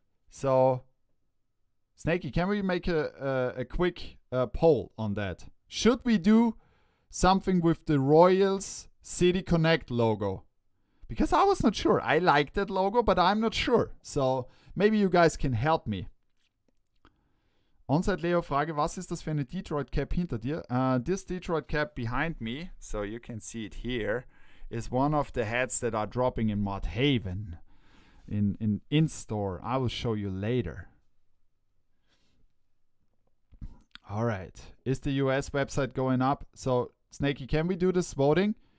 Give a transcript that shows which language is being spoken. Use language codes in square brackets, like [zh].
[en] So, Snakey, can we make a quick poll on that? Should we do something with the Royals City Connect logo? Because I was not sure. I like that logo, but I'm not sure. So, Maybe you guys can help me. [de] Onside Leo Frage, was ist das für eine Detroit Cap hinter dir? [en] This Detroit Cap behind me, so you can see it here, is one of the hats that are dropping in Mod Haven. In store. I will show you later. Alright. Is the US website going up? So, Snakey, can we do this voting?